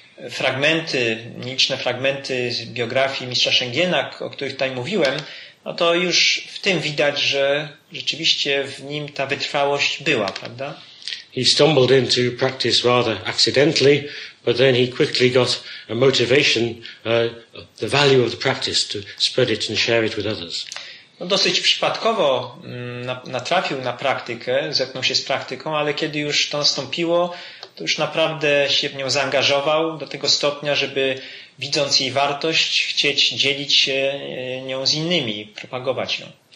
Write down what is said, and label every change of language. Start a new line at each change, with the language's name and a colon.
Polish: fragmenty, liczne fragmenty z biografii mistrza Szengena, o których tutaj mówiłem, no to już w tym widać, że rzeczywiście w nim ta wytrwałość była, prawda?
English: He stumbled into practice rather accidentally, but then he quickly got a motivation, the value of the practice to spread it and share it with others.
Polish: No dosyć przypadkowo natrafił na praktykę, zetknął się z praktyką, ale kiedy już to nastąpiło, to już naprawdę się w nią zaangażował do tego stopnia, żeby widząc jej wartość, chcieć dzielić się nią z innymi, propagować ją.